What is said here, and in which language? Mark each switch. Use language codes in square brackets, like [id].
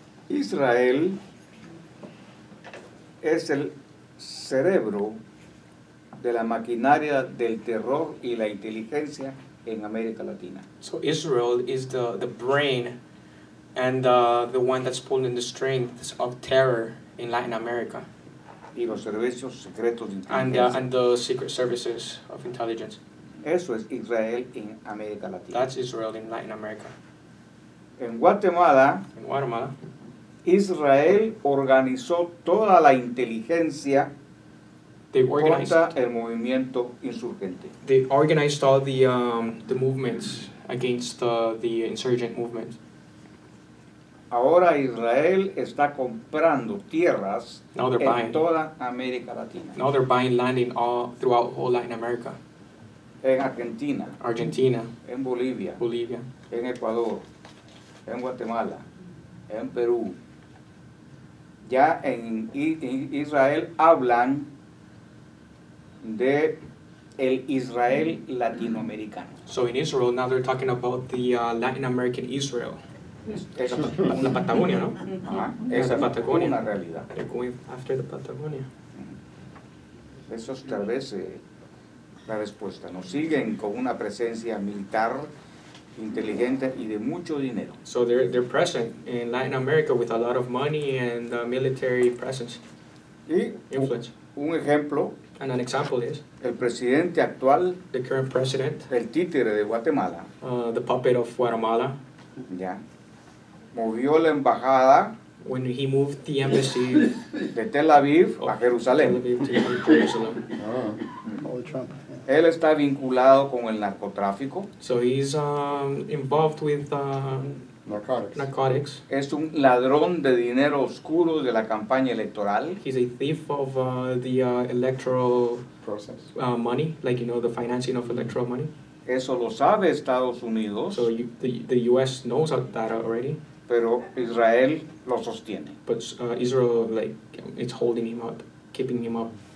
[es] Israel es el cerebro de la maquinaria del terror y la inteligencia en América Latina. [en] So Israel is the brain and the one that's pulling the strings of terror in Latin America. [es] Y los servicios secretos de inteligencia. [en] And the secret services of intelligence. [es] Eso es Israel en América Latina. [en] That's Israel in Latin America. [es] En Guatemala. [en] In Guatemala. [es] Israel organizó toda la inteligencia contra el movimiento insurgente. [en] They organized all the movements against the insurgent movement. [es] Ahora Israel está comprando tierras en toda América Latina. [en] Now they're buying land in all throughout all Latin America. [es] En Argentina. [en] Argentina. [es] En Bolivia. [en] Bolivia. [es] En Ecuador. En Guatemala. En Perú. Ya en Israel hablan de el Israel latinoamericano. [en] So in Israel now they're talking about the Latin American Israel. [es] Es la Patagonia, ¿no? Esa es Patagonia. Una realidad. [en] They're going after the Patagonia. [es] Eso es tal vez la respuesta. Nos siguen con una presencia militar inteligente y de mucho dinero. [en] So they're present in Latin America with a lot of money and military presence. [es] Y influence. Un ejemplo. [en] And an example is [es] el presidente actual, [en] the current president, [es] el títere de Guatemala, [en] the puppet of Guatemala. [es] Ya. Movió la embajada. [en] When he moved the embassy [es] de Tel Aviv a Jerusalén. [en] Jerusalem. Oh, Trump. [es] Él está vinculado con el narcotráfico. [en] So he's involved with narcotics. [es] Es un ladrón de dinero oscuro de la campaña electoral. [en] He's a thief of the electoral process. Money, like, you know, the financing of electoral money. [es] Eso lo sabe Estados Unidos. [en] So the U.S. knows that already. [es] Pero Israel lo sostiene. [en] But Israel, like, it's holding him up, keeping him up.